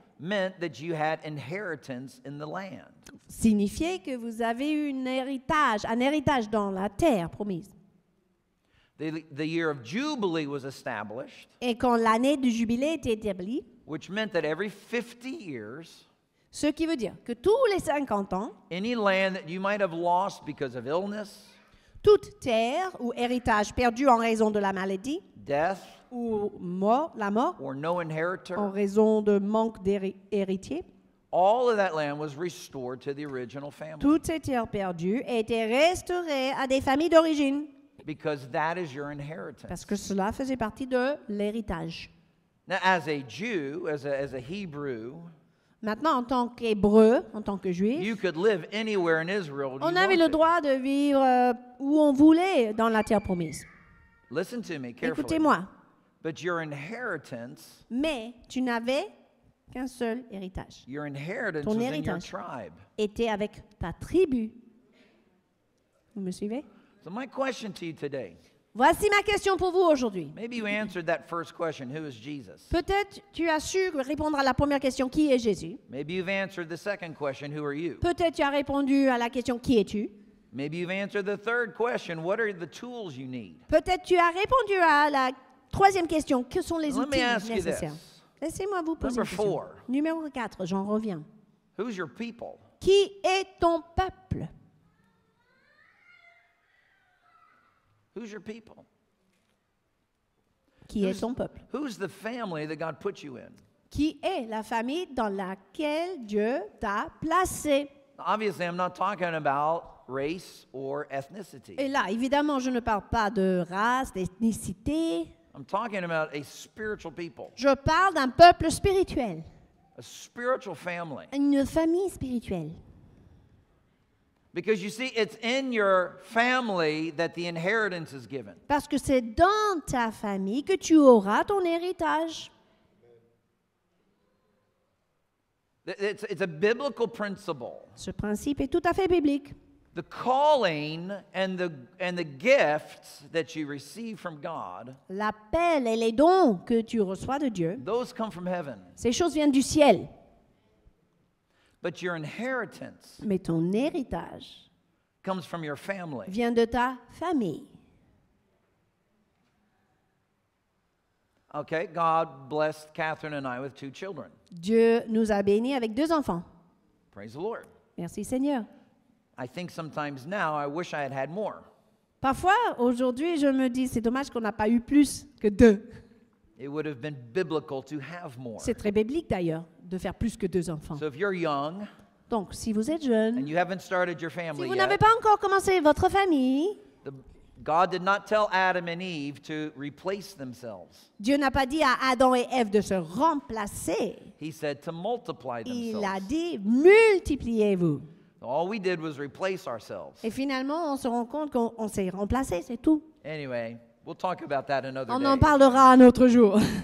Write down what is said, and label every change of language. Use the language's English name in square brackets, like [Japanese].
[English] Meant that you had inheritance in the land. [French] Signifiait que vous avez un héritage dans la terre promise. [English] The year of Jubilee was established. [French] Et quand l'année du jubilé était établie. [English] Which meant that every 50 years. [French] Ce qui veut dire que tous les 50 ans. [English] Any land that you might have lost because of illness. [French] Toute terre ou héritage perdu en raison de la maladie. [English] Death. [French] Ou mort, la mort, [English] or no inheritor, [French] en raison de manque d'héritier. [English] All of that land was restored to the original family. [French] Toutes ces terres perdues étaient restaurées à des familles d'origine. [English] Because that is your inheritance. [French] Parce que cela faisait partie de l'héritage. [English] Now, as a Jew, as a Hebrew, [French] maintenant, en tant qu'Hébreu, en tant que Juif, [English] you could live anywhere in Israel, [French] on avait le droit de vivre où on voulait dans la terre promise. [English] Listen to me carefully. [French] Écoutez-moi. [English] But your inheritance, [French] mais tu n'avais qu'un seul héritage. [English] Your inheritance [French] ton [English] was [French] héritage [English] in your tribe. [French] Était avec ta tribu. Vous me suivez? [English] So my question to you today, [French] voici ma question pour vous aujourd'hui. [English] Maybe you answered that first question, who is Jesus? [French] Peut-être tu as su répondre à la première question, qui est Jésus? [English] Maybe you've answered the second question, who are you? [French] Peut-être tu as répondu à la question, qui es-tu? [English] Maybe you've answered the third question, what are the tools you need? [French] Peut-être tu as répondu à la troisième question, que sont les [English] Let [French] outils nécessaires? Laissez-moi vous poser [English] Number [French] une question. [English] Four. [French] Numéro 4, j'en reviens. [English] Who's your people? [French] Qui est ton peuple? [English] Who's your people? [French] Qui est ton peuple? [English] Who's the family that God put you in? [French] Qui est la famille dans laquelle Dieu t'a placé? [English] Obviously, I'm not talking about race or ethnicity. [French] Et là, évidemment, je ne parle pas de race, d'ethnicité. [English] I'm talking about a spiritual people. [French] Je parle d'un peuple spirituel. [English] A spiritual family. [French] Une famille spirituelle. [English] Because you see, it's in your family that the inheritance is given. [French] Parce que c'est dans ta famille que tu auras ton héritage. [English] It's a biblical principle. [French] Ce principe est tout à fait biblique. [English] The calling and the gifts that you receive from God. [French] L'appel et les dons que tu reçois de Dieu. [English] Those come from heaven. [French] Ces choses viennent du ciel. [English] But your inheritance. [French] Mais ton héritage. [English] Comes from your family. [French] Vient de ta famille. [English] Okay, God blessed Catherine and I with two children. [French] Dieu nous a bénis avec deux enfants. [English] Praise the Lord. [French] Merci Seigneur. [English] I think sometimes now I wish I had had more. [French] Parfois, aujourd'hui, je me dis c'est dommage qu'on n'a pas eu plus que deux. [English] It would have been biblical to have more. [French] C'est très biblique d'ailleurs de faire plus que deux enfants. [English] So if you're young, [French] donc si vous êtes jeune, [English] and you haven't started your family [French] si vous [English] yet, [French] n'avez pas encore commencé votre famille, [English] God did not tell Adam and Eve to replace themselves. [French] Dieu n'a pas dit à Adam et Ève de se remplacer. [English] He said to multiply themselves. [French] Il a dit multipliez-vous. [English] All we did was replace ourselves. [French] Et finalement, on se rend compte qu'on s'est remplacé, c'est tout. [English] Anyway, we'll talk about that another [French] on [English] day. [French] En parlera un autre jour.